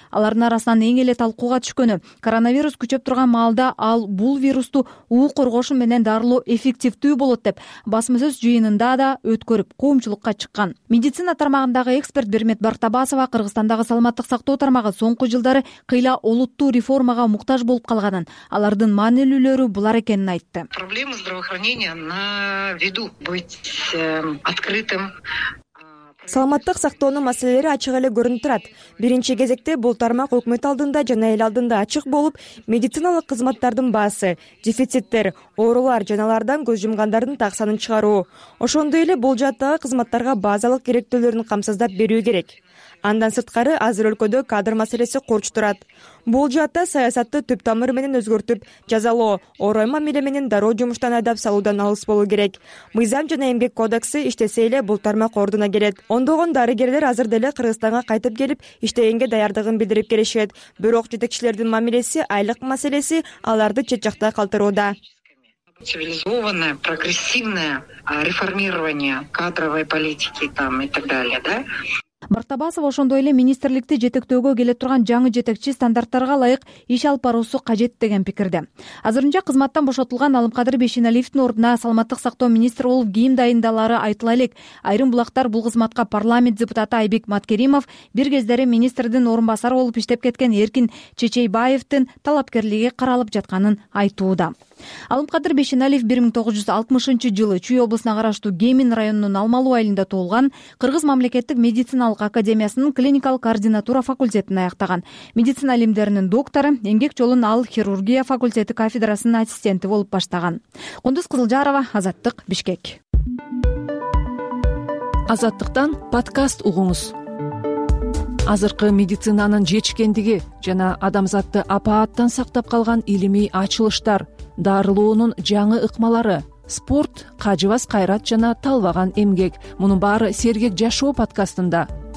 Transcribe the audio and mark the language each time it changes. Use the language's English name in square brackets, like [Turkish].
[Kyrgyz] Алардын арасынан эң эле талкууга түшкөнү коронавирус күчөп турган маалда ал бул вирусту уу коргошу менен дарылоо эффективдүү болот деп басма сөз жыйынында да өткөрүп коомчулукка чыккан. Медицина тармагындагы эксперт Бермет Бартабасова Кыргызстандагы саламаттык сактоо тармагы соңку жылдары кыйла олуттуу реформага муктаж болуп калганын, алардын маанилүүлөрү булар экенин айтты. [Russian] Проблема здравоохранения на виду, быть открытым. [Kyrgyz] Саламаттык сактоонун маселелери ачык эле көрүнүп турат. Биринчи кезекте бул тармак өкмөт алдында жана эл алдында ачык болуп, медициналык кызматтардын баасы, дефициттер, оорулар жана алардан көз жумгандардын так санын чыгаруу. Ошондой эле бул жааттагы кызматтарга базалык керектөөлөрүн камсыздап берүү керек. Андан сырткары азыр өлкөдө кадр маселеси курч турат. Бул жаатта саясатты түп тамыр менен өзгөртүп, жазалоо, орой мамиле менен дароо жумуштан айдап салуудан алыс болуу керек. Мыйзам жана эмгек кодексы иштесе эле бул тармак ордуна келет. Ондогон дарыгерлер азыр деле Кыргызстанга кайтып келип, иштегенге даярдыгын билдирип келишет. Бирок жетекчилердин мамилеси, айлык маселеси аларды чет жакта калтырууда. [Russian] Цивилизованное, прогрессивное реформирование кадровой политики там и так далее, да? [Kyrgyz] Бартабасова ошондой эле министрликти жетектөөгө келе турган жаңы жетекчи стандарттарга ылайык иш алып баруусу кажет деген пикирде. Азырынча кызматтан бошотулган Алымкадыр Бишеналиевдин ордуна саламаттык сактоо министри болуп кийим дайындалары айтыла элек. Айрым булактар бул кызматка парламент депутаты Айбек Маткеримов, бир кездери министрдин орун басары болуп иштеп кеткен Эркин Чечейбаевдин талапкерлиги каралып жатканын айтууда. Алымкадыр Бишеналиев 1960 жылы Чүй облусуна караштуу Кемин районунун Алмалуу айылында туулган, Кыргыз мамлекеттик медициналык академиясынын клиникалык координатура факультетин аяктаган. Медицина илимдеринин доктору, эмгек жолун ал хирургия факультети кафедрасынын ассистенти болуп баштаган. Кундуз Кызылжарова, Азаттык, Бишкек. Азаттыктан подкаст угуңуз. Азыркы медицинанын жетишкендиги жана адамзатты апааттан сактап калган илимий ачылыштар, дарылоонун жаңы ыкмалары, спорт, кажыбас кайрат жана талбаган эмгек. Мунун баары Сергек жашоо подкастында.